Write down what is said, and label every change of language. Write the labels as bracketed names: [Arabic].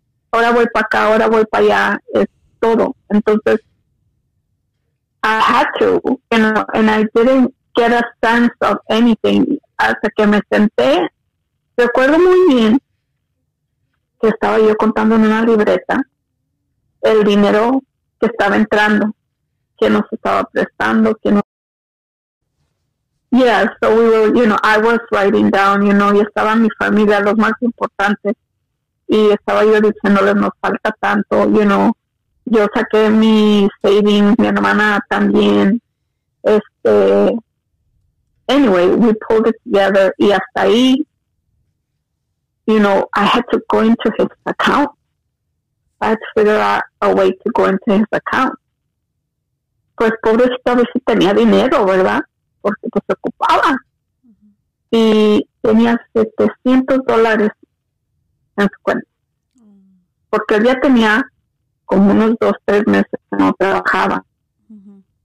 [Spanish] Ahora voy para acá, ahora voy para allá. Es todo. [English] Entonces, I had to, you know, and I didn't get a sense of anything [Spanish] hasta que me senté. Recuerdo muy bien que estaba yo contando en una libreta el dinero que estaba entrando, que nos estaba prestando, que no. [English] Yeah, so we were, you know, [Spanish] I was writing down, you know, y estaba mi familia, los más importantes, y estaba yo diciéndoles, nos falta tanto, you know. Yo saqué mi savings, mi hermana también. [English] Anyway, we pulled it together. [Spanish] Y hasta ahí, [English] you know, I had to go into his account. I had to figure out a way to go into his account. [Spanish] Pues pobrecita, a ver si tenía dinero, ¿verdad? Porque pues ocupaba. Mm-hmm. Y tenía $700 en su cuenta. Mm-hmm. Porque él ya tenía como unos 2-3 meses que no trabajaba. Uh-huh.